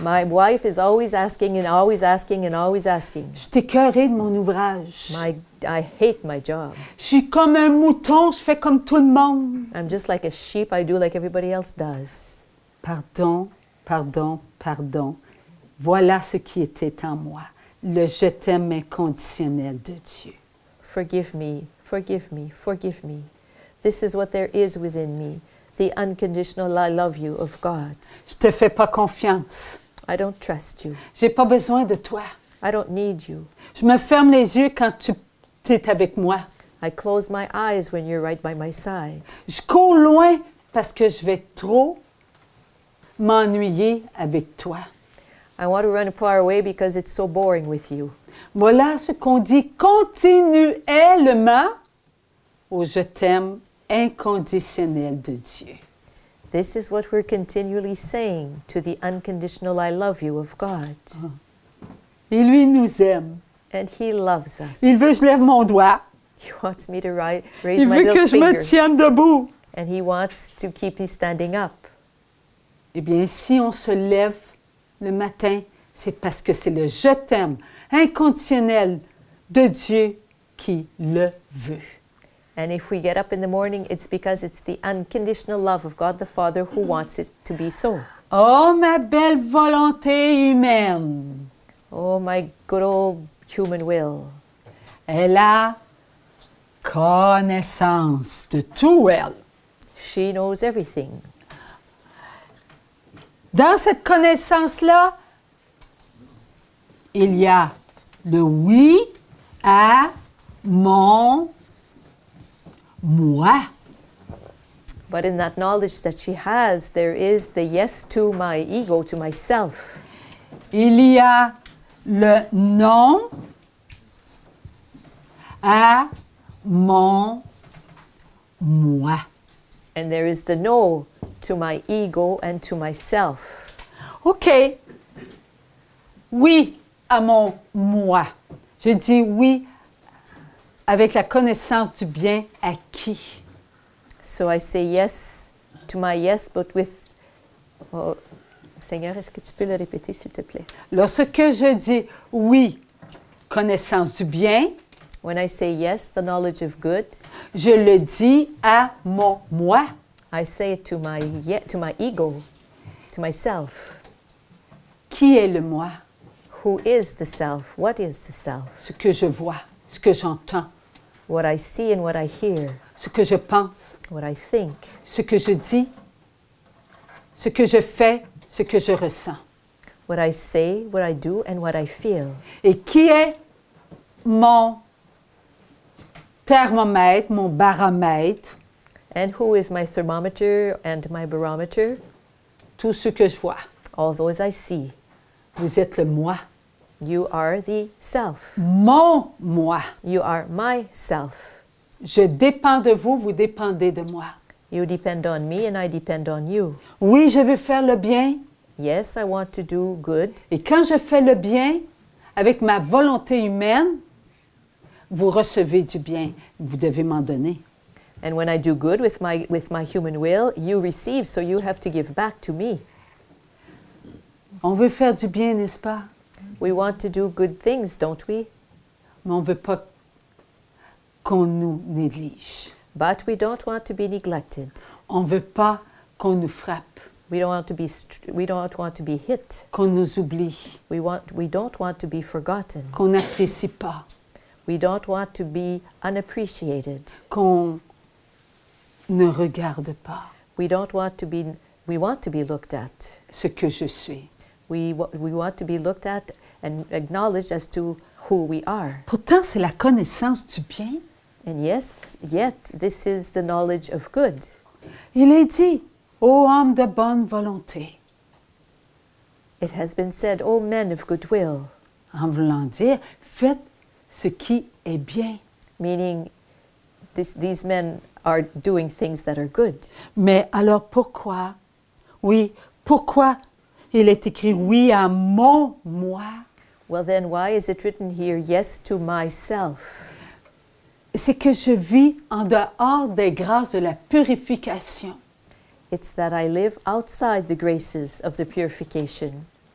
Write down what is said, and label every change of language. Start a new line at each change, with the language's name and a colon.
English: My wife is always asking and always asking and always asking.
French: Je t'écœurée de mon ouvrage.
English: I hate my job.
French: Je suis comme un mouton, je fais comme tout le monde.
English: I'm just like a sheep, I do like everybody else does.
French: Pardon, pardon, pardon. Voilà ce qui était en moi. Le je t'aime inconditionnel de Dieu.
English: Forgive me, forgive me, forgive me. This is what there is within me, the unconditional I love you of God.
French: Je te fais pas confiance.
English: I don't trust you.
French: J'ai pas besoin de toi.
English: I don't need you.
French: Je me ferme les yeux quand tu es avec moi.
English: I close my eyes when you're right by my side.
French: Je cours loin parce que je vais trop m'ennuyer avec toi.
English: I want to run far away because it's so boring with you.
French: Voilà ce qu'on dit continuellement au je t'aime inconditionnel de Dieu.
English: This is what we're continually saying to the unconditional I love you of God.
French: Oh. Et lui nous aime.
English: And he loves us.
French: Il veut que je lève mon doigt.
English: He wants me to raise
French: Il
English: my little finger.
French: Il veut que je me tienne debout.
English: And he wants to keep me standing up.
French: Eh bien, si on se lève le matin, c'est parce que c'est le je t'aime inconditionnel de Dieu qui le veut.
English: And if we get up in the morning, it's because it's the unconditional love of God the Father who wants it to be so.
French: Oh, ma belle volonté humaine!
English: Oh, my good old human will!
French: Elle a connaissance de tout elle.
English: She knows everything.
French: Dans cette connaissance-là, il y a le oui à mon moi.
English: But in that knowledge that she has, there is the yes to my ego, to myself.
French: Il y a le non à mon moi.
English: And there is the no to my ego and to myself.
French: OK. Oui. À mon moi. Je dis oui avec la connaissance du bien acquis.
English: So I say yes to my yes, but with...
French: Oh, Seigneur, est-ce que tu peux le répéter, s'il te plaît? Lorsque je dis oui, connaissance du bien,
English: when I say yes, the knowledge of good,
French: je le dis à mon moi.
English: I say it to my ego, to myself.
French: Qui est le moi?
English: Who is the self? What is the self?
French: Ce que je vois, ce que j'entends.
English: What I see and what I hear.
French: Ce que je pense.
English: What I think.
French: Ce que je dis. Ce que je fais, ce que je ressens.
English: What I say, what I do, and what I feel.
French: Et qui est mon thermomètre, mon baromètre?
English: And who is my thermometer and my barometer?
French: Tout ce que je vois.
English: All those I see.
French: Vous êtes le moi.
English: You are the self.
French: Mon moi.
English: You are myself.
French: Je dépends de vous, vous dépendez de moi.
English: You depend on me and I depend on you.
French: Oui, je veux faire le bien.
English: Yes, I want to do good.
French: Et quand je fais le bien avec ma volonté humaine, vous recevez du bien. Vous devez m'en donner.
English: And when I do good with my human will, you receive, so you have to give back to me.
French: On veut faire du bien, n'est-ce pas?
English: We want to do good things, don't we?
French: Mais on veut pas qu'on nous néglige.
English: But we don't want to be neglected.
French: On veut pas qu'on nous frappe.
English: We don't want to be hit.
French: Qu'on nous oublie.
English: We don't want to be forgotten.
French: Qu'on n'apprécie pas.
English: We don't want to be unappreciated.
French: Qu'on ne regarde pas.
English: We want to be looked at.
French: Ce que je suis.
English: We want to be looked at and acknowledged as to who we are.
French: Pourtant, c'est la connaissance du bien.
English: And yes, yet this is the knowledge of good.
French: Il est dit, ô homme de bonne volonté.
English: It has been said, O men of goodwill.
French: En voulant dire, faites ce qui est bien.
English: Meaning, these men are doing things that are good.
French: Mais alors pourquoi? Oui, pourquoi il est écrit oui à mon moi?
English: Well then, why is it written here, yes to myself?
French: C'est que je vis en dehors des grâces de la purification.
English: It's that I live outside the graces of the purification.